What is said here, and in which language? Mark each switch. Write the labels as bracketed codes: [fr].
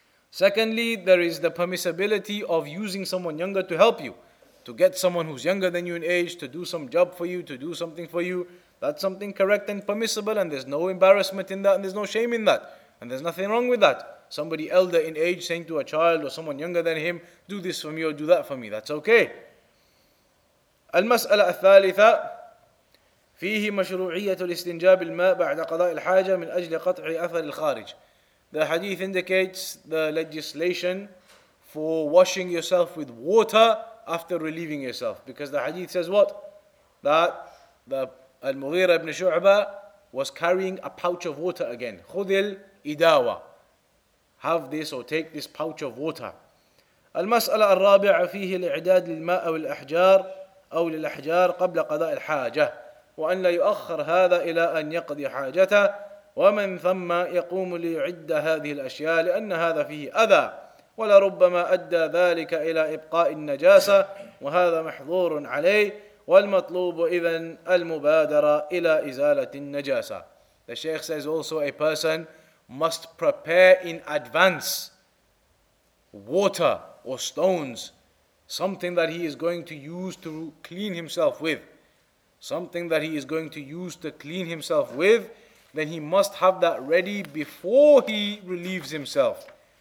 [en] Secondly, there is the permissibility of using someone younger to help you, to get someone who's younger than you in age, to do some job for you, to do something for you. That's something correct and permissible, and there's no embarrassment in that, and there's no shame in that, and there's nothing wrong with that. Somebody elder in age saying to a child or someone younger than him, do this for me or do that for me, that's okay. [ar] المسألة الثالثة فيه مشروعية الاستنجاء بالماء بعد قضاء الحاجة من أجل قطع أثر الخارج. [en] The hadith indicates the legislation for washing yourself with water after relieving yourself. Because the hadith says what? That the Al-Mughira ibn Shu'bah was carrying a pouch of water again. [ar] خُذِلْ إِدَاوَى. [en] Have this or take this pouch of water. [ar] المسألة الرابعة فيه الإعداد للماء أو الأحجار أو للأحجار قبل قضاء الحاجة وأن لا يؤخر هذا إلى أن يقضي حاجته ومن ثم يقوم ليعد هذه الأشياء لأن هذا فيه أذى ولربما أدى ذلك إلى إبقاء النجاسة وهذا محظور عليه والمطلوب إذن المبادرة إلى إزالة النجاسة. [en] The Sheikh says also a person must prepare in advance water or stones, something that he is going to use to clean himself with. Something that he is going to use to clean himself with, then he must have that ready before he relieves himself.